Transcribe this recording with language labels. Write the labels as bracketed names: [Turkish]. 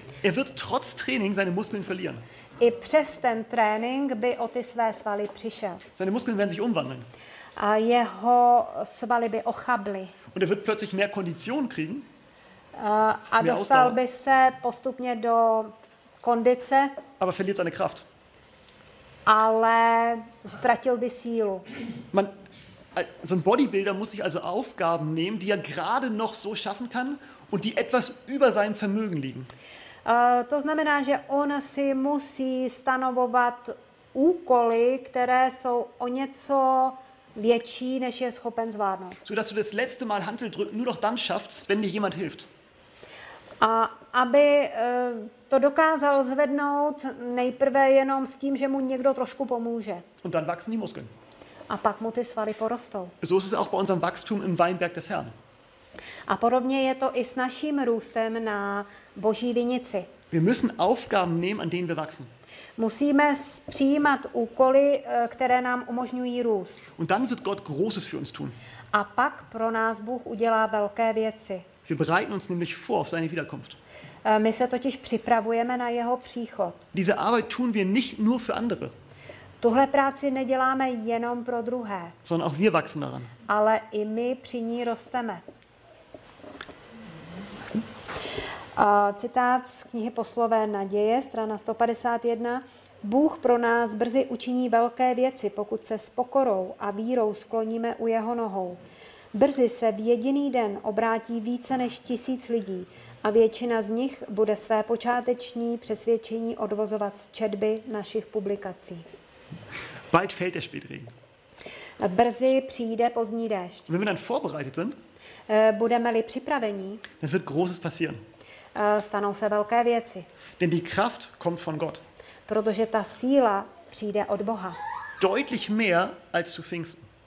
[German] Er wird trotz Training seine Muskeln verlieren. [Czech] I přes ten trénink by o ty své svaly přišel. [German] Seine Muskeln werden sich umwandeln. [Czech] A jeho svaly by ochably. [German] Und er wird plötzlich mehr Kondition kriegen. [Czech] A dostal by se postupně do kondice. [German] Aber verliert seine Kraft. [Czech] Ale ztratil by sílu. [German] Man, so ein Bodybuilder muss sich also Aufgaben nehmen, die er gerade noch so schaffen kann und die etwas über seinem Vermögen liegen. [Czech] To znamená, že on si musí stanovovat úkoly, které jsou o něco větší, než je schopen zvládnout. [German] So dass du das letzte Mal Hantel drücken nur noch dann schaffst, wenn dir jemand hilft. [Czech] A aby to dokázal zvednout nejprve jenom s tím, že mu někdo trošku pomůže. [German] Und dann wachsen die Muskeln. [Czech] A pak mu ty svaly porostou. [German] So ist es auch bei unserem Wachstum im Weinberg des Herrn. [Czech] A podobně je to i s naším růstem na Boží vinici. [German] Wir müssen Aufgaben nehmen, an denen wir wachsen. [Czech] Musíme přijímat úkoly, které nám umožňují růst. [German] Und dann wird Gott Großes für uns tun. [Czech] A pak pro nás Bůh udělá velké věci. [German] Wir bereiten uns nämlich vor auf seine Wiederkunft. [Czech] My se totiž připravujeme na jeho příchod. [German] Diese Arbeit tun wir nicht nur für andere. [Czech] Tuhle práci neděláme jenom pro druhé. [German] Sondern auch wir wachsen daran. [Czech] Ale i my při ní rosteme. Citát z knihy Poslové naděje, strana 151. Bůh pro nás brzy učiní velké věci, pokud se s pokorou a vírou skloníme u jeho nohou. Brzy se v jediný den obrátí více než 1000 lidí a většina z nich bude své počáteční přesvědčení odvozovat z četby našich publikací. [German] Bald fällt der Spätregen. [Czech] Brzy přijde pozdní déšť. [German] Wenn wir dann vorbereitet sind, [Czech] budeme-li připraveni, [German] dann wird Großes passieren. [Czech] Stanou se velké věci. [German] Denn die Kraft kommt von Gott. [Czech] Protože ta síla přijde od Boha. [German] Deutlich mehr als zu Pfingsten.